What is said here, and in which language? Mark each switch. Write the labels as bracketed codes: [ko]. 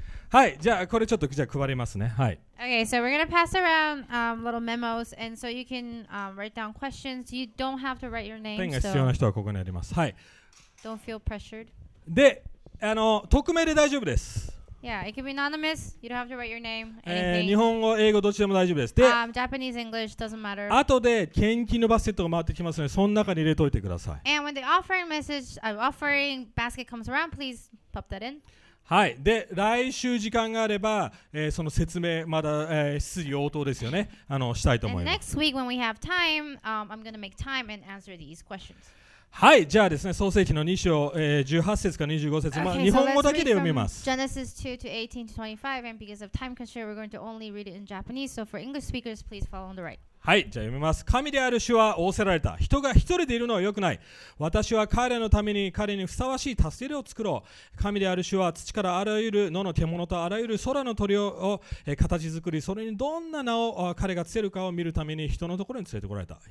[ja] はい、じゃあこれちょっとじゃあ配りますね。はい。 [en] Okay, so we're gonna pass around little memos, and so you can write down questions. You don't have to write your name. [ja] ペンが必要な人はここにあります。はい。 [en] Don't feel pressured. [ja] で、匿名で大丈夫です。 [en] Yeah, it can be anonymous. You don't have to write your name. Anything. [ja] 日本語、英語どっちでも大丈夫です。で、 [en] Japanese, English doesn't matter. [ja] 後で献金のバスケットが回ってきますので、その中に入れておいてください。 [en] And when the offering message, offering basket comes around, please pop that in. [ja] はい。で、来週時間があれば、その説明まだ、質疑応答ですよね。したいと思います。 [en] Next week when we have time, I'm gonna make time and answer these questions. [ja] はい、じゃあですね、創世記の2章、18節から25節、 [en] okay, [ja] まあ日本語だけで読みます。 [en] Genesis 2 to 18 to 25, and because of time constraint, we're going to only read it in Japanese. So for English speakers, please follow on the right. [ja] はい、じゃあ読みます。神である主は仰せられた。人が一人でいるのは良くない。私は彼のために彼にふさわしい助け手を作ろう。神である主は土からあらゆる野の獣とあらゆる空の鳥を形作り、それにどんな名を彼がつけるかを見るために人のところに連れてこられた。